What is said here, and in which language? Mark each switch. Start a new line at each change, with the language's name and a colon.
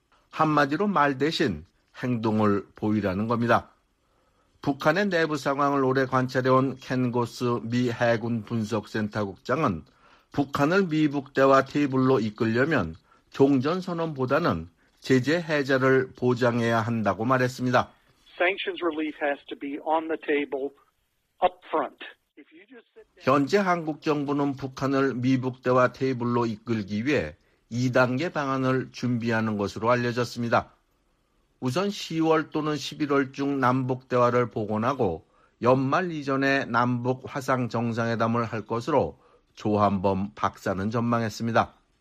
Korean: 한마디로 말 대신 행동을 보이라는 겁니다. 북한의 내부 상황을 오래 관찰해온 켄고스 미 해군 분석센터 국장은 북한을 미북 대화 테이블로 이끌려면 종전선언보다는 제재 해제를 보장해야 한다고 말했습니다.
English: Sanctions relief has to be on the table upfront.
Korean: 현재 한국 정부는 북한을 미북 대화 테이블로 이끌기 위해 2단계 방안을 준비하는 것으로 알려졌습니다. 우선 10월 또는 11월 중 남북 대화를 복원하고 연말 이전에 남북 화상 정상회담을 할 것으로 조한범 박사는 전망했습니다.